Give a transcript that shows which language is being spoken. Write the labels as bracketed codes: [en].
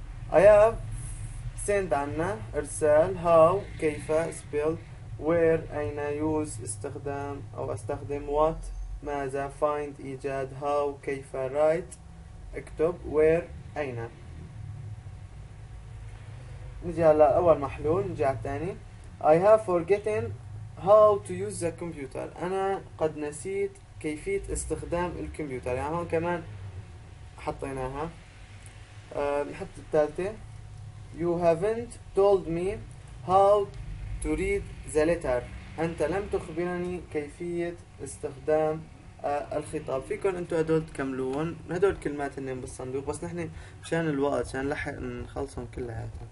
[en] I have sent [ar] عنا إرسال how كيف spell where أين use استخدام أو استخدم what ماذا find إيجاد how كيف write اكتب where أين. نجي على أول محلول، نجي على الثاني. [en] I have forgotten how to use the computer. [ar] أنا قد نسيت كيفية استخدام الكمبيوتر. يعني هون كمان حطيناها. نحط الثالثة. [en] You haven't told me how to read the letter. [ar] أنت لم تخبرني كيفية استخدام الخطاب. فيكم أنتوا هدول تكملون، هدول الكلمات هنن بالصندوق، بس نحن مشان الوقت مشان نلحق نخلصهم كلياتهم.